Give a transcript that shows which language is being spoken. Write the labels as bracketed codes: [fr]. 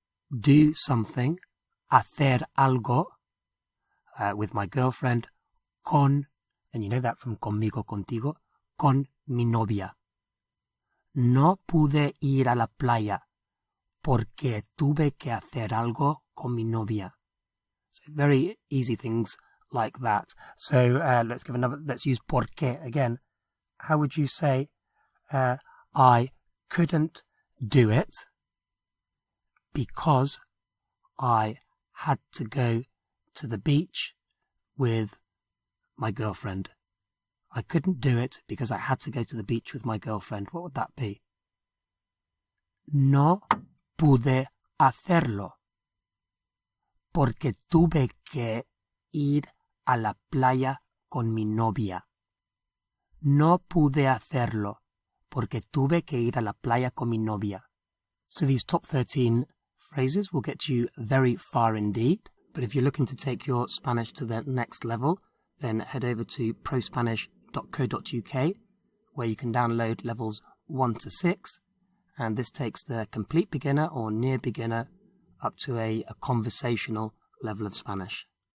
[en] Do something, [es] hacer algo, [en] with my girlfriend, [es] con, [en] and you know that from conmigo, contigo, [es] con mi novia. No pude ir a la playa. Porque tuve que hacer algo con mi novia. [en] So very easy things like that. So let's give another, let's use porque again. How would you say, I couldn't do it because I had to go to the beach with my girlfriend. I couldn't do it because I had to go to the beach with my girlfriend. What would that be? [es] No pude hacerlo porque tuve que ir a la playa con mi novia. No pude hacerlo porque tuve que ir a la playa con mi novia. [en] So these top 13 phrases will get you very far indeed. But if you're looking to take your Spanish to the next level, then head over to prospanish.co.uk where you can download levels 1 to 6. And this takes the complete beginner or near beginner up to a conversational level of Spanish.